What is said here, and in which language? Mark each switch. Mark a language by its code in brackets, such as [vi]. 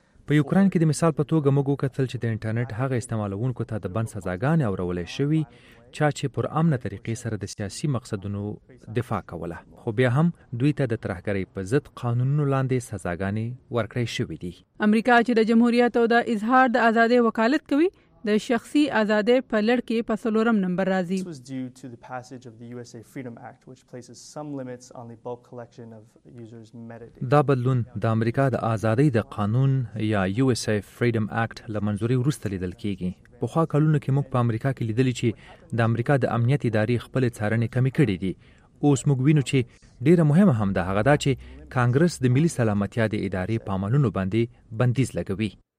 [ps] په یوکرين کې د مثال په توګه موږ وکتل چې د انټرنیټ هغه استعمالونکو ته د بند سزاګانې اورولې شوې چا چې پر امنه طریقې سره د سیاسي مقصدونو دفاع کوله، خو بیا هم دوی ته د ترهګرۍ په ضد قانونونو لاندې سزاګانې ورکړې شوې دي. امریکا چې د جمهوریت او د اظهار د ازادۍ وکالت کوي د شخصي ازادۍ په لړ کې په څلورم نمبر راځي. [en] This was due to the passage of the USA Freedom Act which places some limits on the bulk collection of users metadata. [ps] دا بدلون د امریکا د ازادۍ د قانون یا USA Freedom Act لمنځوري ورسته لیدل کیږي. په خو کلونو کې موږ په امریکا کې لیدل چې د امریکا د امنیت ادارې خپل څارنې کمی کړې دي. اوس موږ وینو چې ډیره مهمه هم ده هغه دا چې کانګرس د ملي سلامتیا د ادارې په عملونو باندې بندیز لګوي.